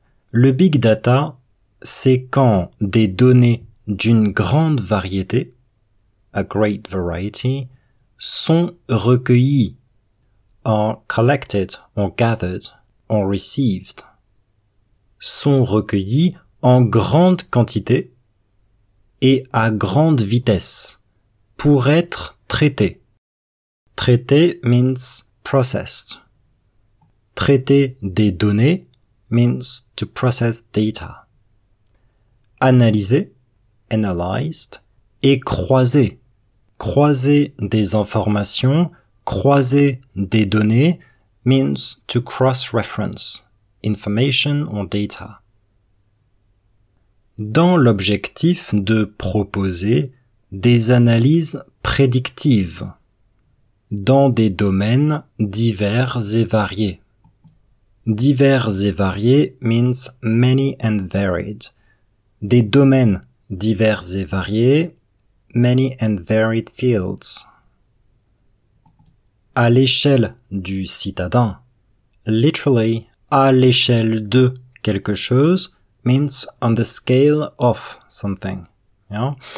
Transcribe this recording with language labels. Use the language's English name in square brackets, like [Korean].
[French] Le big data, c'est quand des données d'une grande variété, [English] a great variety, [French] sont recueillies, [English] are collected or gathered or received, [French] sont recueillies en grande quantité et à grande vitesse pour être traitées. [English] Traiter means processed. [French] Traiter des données [English] means to process data. [French] Analyser, analyzed, et croiser. Croiser des informations, croiser des données [English] means to cross-reference information or data. [French] Dans l'objectif de proposer des analyses prédictives dans des domaines divers et variés. Divers et variés [English] means many and varied. [French] Des domaines divers et variés, [English] many and varied fields. [French] À l'échelle du citadin, literally, à l'échelle de quelque chose, [English] means on the scale of something. Yeah?